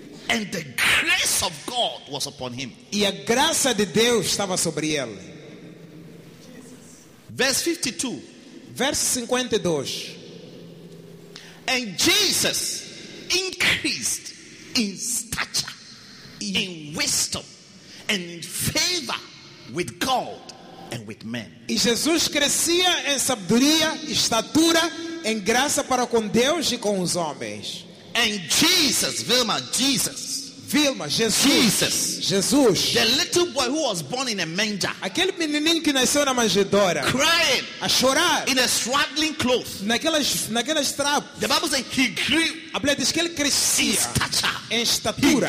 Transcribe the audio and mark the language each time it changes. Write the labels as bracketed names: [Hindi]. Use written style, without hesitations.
[English] And the grace of God was upon him. [Portuguese] E a graça de Deus estava sobre ele. [English] Verse 52. And Jesus increased in stature, in wisdom, and in favor with God and with men. [Portuguese] E Jesus crescia em sabedoria, estatura, em graça para com Deus e com os homens. [English] And Jesus, Vilma, Jesus. Vilma, Jesus. Jesus. Jesus. The little boy who was born in a manger. [Portuguese] Aquele menininho que nasceu na manjedoura. [English] Crying. [Portuguese] A chorar. [English] In a swaddling cloth. [Portuguese] Naquelas trapos. [English] The Bible says he grew. [Portuguese] A Bíblia diz que ele crescia. [English] In stature. [Portuguese] em estatura.